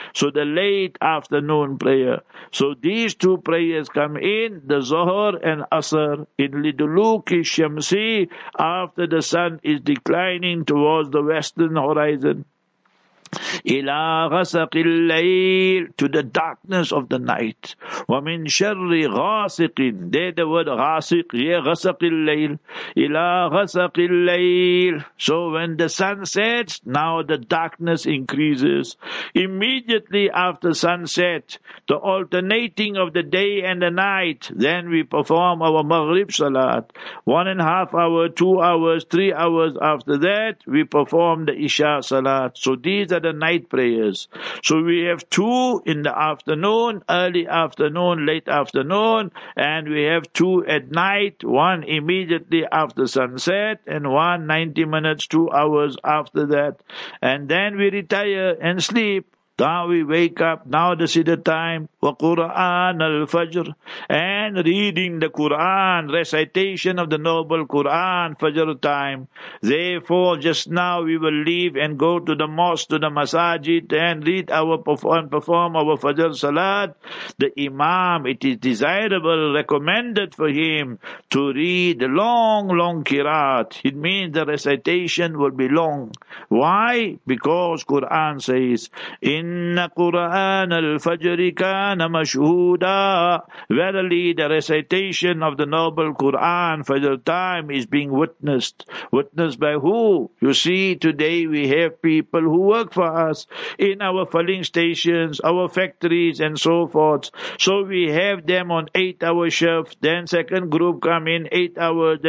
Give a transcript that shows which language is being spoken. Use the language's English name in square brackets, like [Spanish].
[English] So the late afternoon prayer. So these two prayers come in, the zohor and asr, in [Arabic] liduluki shamsi, [English] after the sun is declining towards the west. Horizon. [Arabic] إِلَىٰ غَسَقِ اللَّيْلِ, [English] to the darkness of the night. [Arabic] وَمِنْ شَرِّ غَاسِقٍ, [English] there the word [Arabic] غَاسِق, [English] yeah, [Arabic] غَسَقِ اللَّيْلِ, إِلَىٰ غَسَقِ اللَّيْلِ. [English] So when the sun sets, now the darkness increases. Immediately after sunset, the alternating of the day and the night, then we perform our Maghrib Salat. 1.5 hour, 2 hours, 3 hours after that, we perform the Isha Salat. So these are the night prayers. So we have two in the afternoon, early afternoon, late afternoon, and we have two at night, one immediately after sunset, and one 90 minutes, 2 hours after that. And then we retire and sleep. Now we wake up, now this is the time, [Arabic] wa Qur'an al-Fajr, [English] and reading the Qur'an, recitation of the noble Qur'an, Fajr time. Therefore, just now we will leave and go to the mosque, to the masajid, and read our, perform our Fajr Salat. The Imam, it is desirable, recommended for him to read long, long Qirat. It means the recitation will be long. Why? Because Qur'an says, in [Arabic] إن قرآن الفجر كان مشهودا. [English] Verily, the recitation of the noble Quran, Fajr time, is being witnessed. Witnessed by who? You see, today we have people who work for us in our filling stations, our factories, and so forth. So we have them on 8-hour shift. Then second group come in 8 hours.